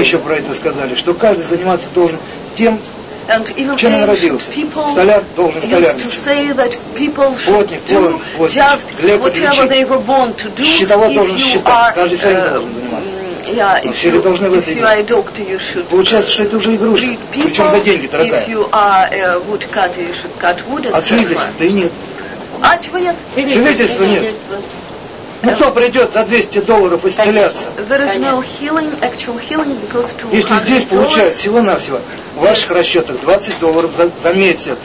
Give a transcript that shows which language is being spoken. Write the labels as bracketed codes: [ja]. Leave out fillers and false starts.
[ru] еще про это сказали, что каждый заниматься должен тем, чем он родился. Столяр должен столярничать. Плотник, воин, плотничать. Глеб отличить. Щитовод должен считать, каждый своим должен заниматься. Yeah, но все ли должны в это играть? Получается, что это уже игрушка, причем за деньги, дорогая. [en] If you are a woodcutter, you should cut wood, [ru] а целительства-то и нет. А чего нет? Целительства нет. Ну кто придет за $200 исцеляться? [en] There is no healing, actual healing, because $200. [ru] Если здесь получают всего-навсего в ваших расчетах $20 за месяц.